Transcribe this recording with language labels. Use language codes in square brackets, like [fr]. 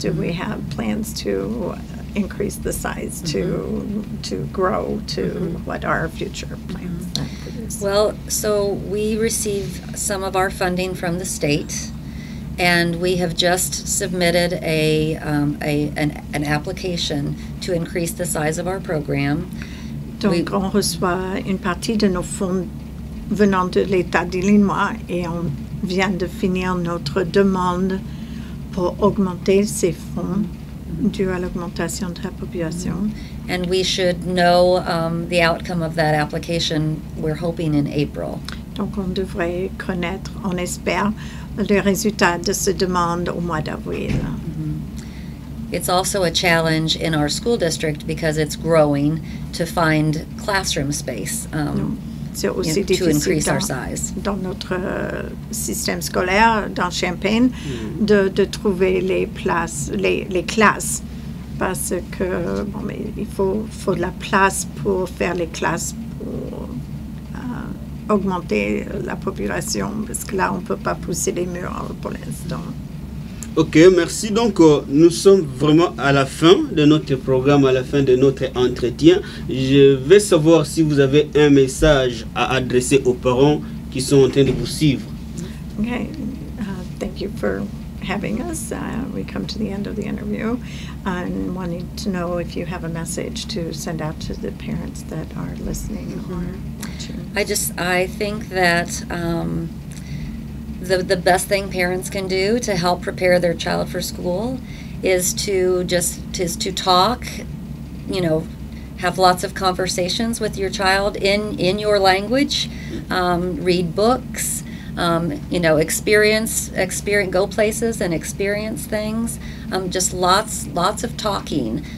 [en] Do we have plans to increase the size, to grow, to what are our future plans? Mm-hmm. Well, so we receive some of our funding from the state, and we have just submitted an application to increase the size of our program. [fr] Donc, on reçoit une partie de nos fonds venant de l'État d'Illinois et on vient de finir notre demande pour augmenter ces fonds dû à l'augmentation de la population. [en] And we should know the outcome of that application, we're hoping, in April. [fr] Donc, on devrait connaître, on espère, le résultat de cette demande au mois d'avril. [en] It's also a challenge in our school district because it's growing to find classroom space to increase our size. [fr] Dans notre système scolaire, dans Champaign, de trouver les classes parce que bon, mais il faut de la place pour faire les classes pour augmenter la population parce que là on peut pas pousser les murs pour l'instant. OK, merci. Donc, nous sommes vraiment à la fin de notre programme, à la fin de notre entretien. Je vais savoir si vous avez un message à adresser aux parents qui sont en train de vous suivre. [en] OK. Thank you for having us. We come to the end of the interview. I'm wanting to know if you have a message to send out to the parents that are listening or watching. I think that... The best thing parents can do to help prepare their child for school is to talk, you know, have lots of conversations with your child in your language, read books, you know, experience, go places and experience things, just lots of talking.